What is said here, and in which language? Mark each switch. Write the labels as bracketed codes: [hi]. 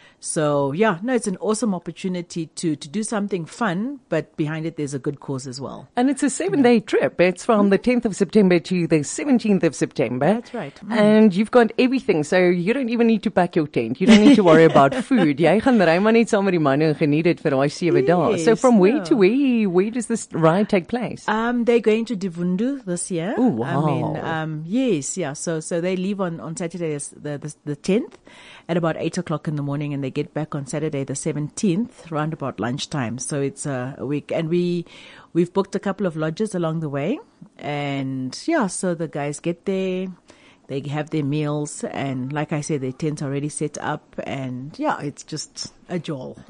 [en] So yeah, no, it's an awesome opportunity to do something fun, but behind it, there's a good cause as well. And it's a 7-day trip. It's from the 10th of September to the 17th of September. That's right. Mm. And you've got everything. So you don't even need to pack your tent. You don't need to worry about food. [af] Jy gaan ry maar net saam met die manne en geniet dit vir daai 7 dae. [en] So from where to where does this ride take place? They're going to Divundu this year. Oh, wow. I mean, yes, yeah. So they leave on Saturday the 10th. At about 8 o'clock in the morning, and they get back on Saturday the 17th, round about lunchtime. So it's a week, and we've booked a couple of lodges along the way, and yeah, so the guys get there, they have their meals, and like I said, their tents already set up, and yeah, it's just a jol.